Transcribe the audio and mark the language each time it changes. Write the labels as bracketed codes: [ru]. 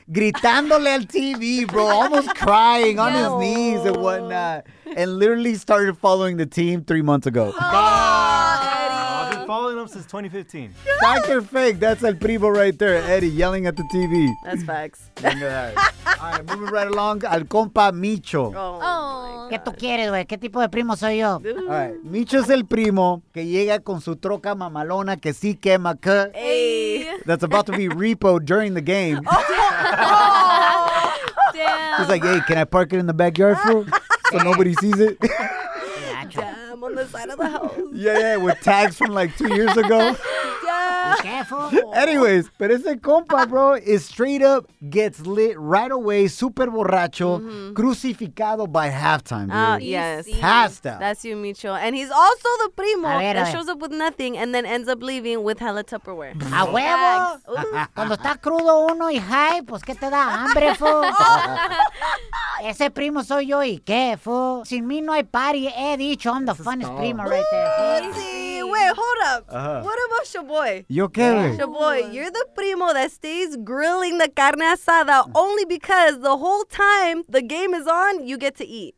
[es] Gritándole al [en] TV, bro, almost crying on his knees and whatnot, and literally started following the team 3 months ago. I've been following him since 2015. Yes. Dr. Fake, that's [es] el primo [en] right there, Eddie, yelling at the TV. That's facts. All right, moving right along, [es] al compa [en] Micho. [es] ¿Qué tú quieres, güey? ¿Qué tipo de primo soy yo? [en] All right. [es] Micho es el primo que llega con su troca mamalona que sí quema. [en] That's about to be repoed during the game. He's like, hey, can I park it in the backyard, fool? So nobody sees it. Damn, on the side of the house. Yeah, with tags from like 2 years ago. Careful. Anyways, [es] pero ese compa, [en] bro, is straight up gets lit right away, [es] super borracho, crucificado [en] by halftime. Oh, yes. Passed out. That's you, Micho. And he's also the primo that shows up with nothing and then ends up leaving with hella Tupperware. [es] A huevo. Cuando está crudo uno y high, pues que te da hambre, fo. Ese primo soy yo y qué, fo. Sin mí no hay party. He dicho, [en] I'm the funnest primo right there. Wait, hold up. What about your boy? [es] Yo qué? [en] Your boy, you're the primo that stays grilling the carne asada only because the whole time the game is on, you get to eat.